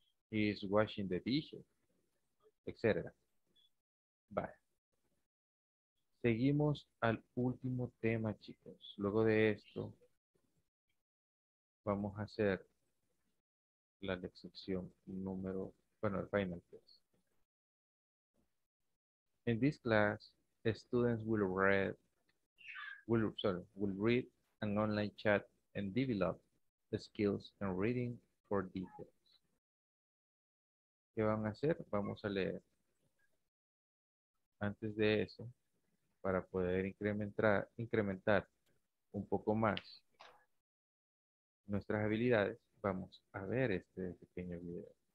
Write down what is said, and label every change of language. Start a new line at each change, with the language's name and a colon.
English: He is washing the dishes, etc. Vale.
Spanish: Seguimos al último tema, chicos. Luego de esto, vamos a hacer la lección número, bueno, el final test.
English: In this class, students will read an online chat and develop the skills in reading for details.
Spanish: ¿Qué van a hacer? Vamos a leer. Antes de eso, para poder incrementar un poco más nuestras habilidades, vamos a ver este pequeño video.